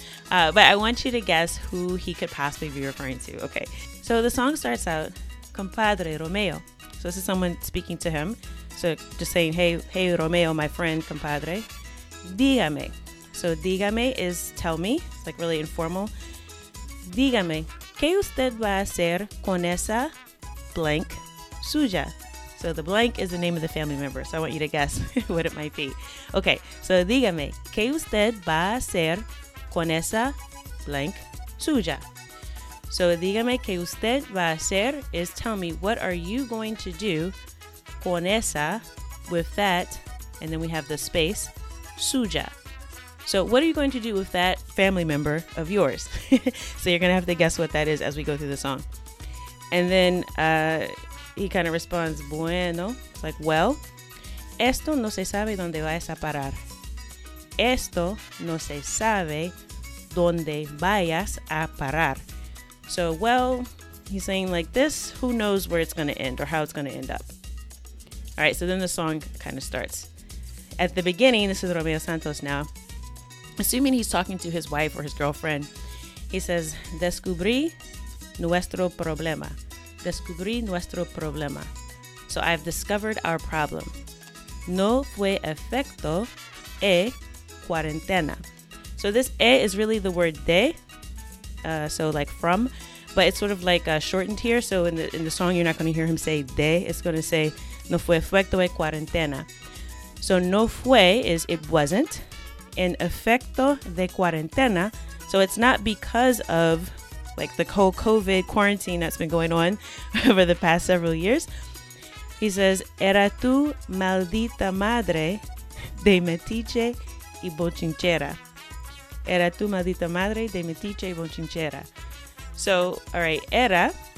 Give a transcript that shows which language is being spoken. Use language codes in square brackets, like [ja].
[en] But I want you to guess who he could possibly be referring to. Okay, so the song starts out, compadre Romeo. So this is someone speaking to him. So just saying, hey, Romeo, my friend, compadre. [es] Dígame. [en] So dígame is tell me. It's like really informal. [es] Dígame, ¿qué usted va a hacer con esa [en] blank [es] suya? [en] So the blank is the name of the family member. So I want you to guess what it might be. Okay, so [es] dígame, ¿qué usted va a hacer con esa [en] blank [es] suya? So dígame, ¿qué usted va a hacer? [en] Is tell me, what are you going to do [es] con esa, [en] with that, and then we have the space, [es] suya. [en] So what are you going to do with that family member of yours? So you're going to have to guess what that is as we go through the song. And then he kind of responds, [es] bueno, [en] like, well, [es] esto no se sabe dónde vayas a parar. Esto no se sabe dónde vayas a parar. [en] So, well, he's saying like this, who knows where it's going to end or how it's going to end up. All right, so then the song kind of starts. At the beginning, this is Romeo Santos now. Assuming he's talking to his wife or his girlfriend, he says, [es] descubrí nuestro problema. Descubrí nuestro problema. [en] So I've discovered our problem. [es] No fue efecto e cuarentena. [en] So this e is really the word de, so like from, but it's sort of like shortened here. So in the song, you're not going to hear him say de. It's going to say, [es] no fue efecto e cuarentena. [en] So [es] no fue [en] is it wasn't. [es] En efecto de cuarentena. [en] So it's not because of like the whole COVID quarantine that's been going on over the past several years. He says, [es] era tu maldita madre de metiche y bochinchera. Era tu maldita madre de metiche y bochinchera. [en] So, all right, [es] era.